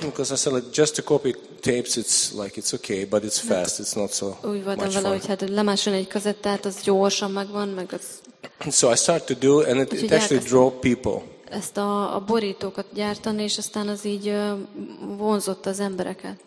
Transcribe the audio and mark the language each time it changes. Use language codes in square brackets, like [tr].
[en] Because I said like, just to copy tapes, it's like it's okay, but it's fast. It's not so much fun. [hu] Úgy voltam vele, hogy hát lemásolni egy kazettát, az gyorsan megvan, meg az. [en] So I start to do, and it actually draw people. [hu] Ezt a borítókat gyártani, és aztán az így vonzott az embereket.